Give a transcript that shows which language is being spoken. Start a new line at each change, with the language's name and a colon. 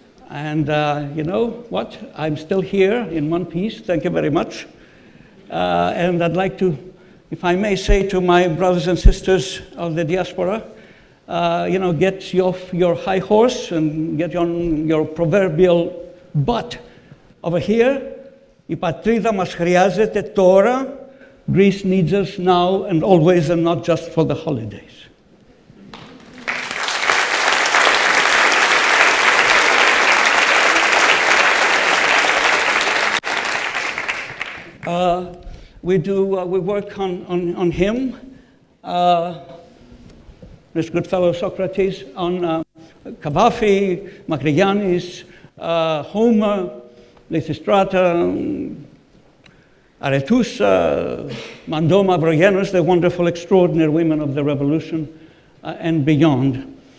English: And you know what? I'm still here in one piece, thank you very much. And I'd like to, if I may say to my brothers and sisters of the diaspora, you know, get off your high horse and get on your proverbial butt over here.
Greek: Η πατρίδα μας χρειάζεται τώρα.
English: Greece needs us now and always and not just for the holidays. We work on him, this good fellow Socrates, on Cavafy, Makrianis, Homer, Lysistrata, Arethusa, Mando Mavroianus, the wonderful, extraordinary women of the revolution, and beyond.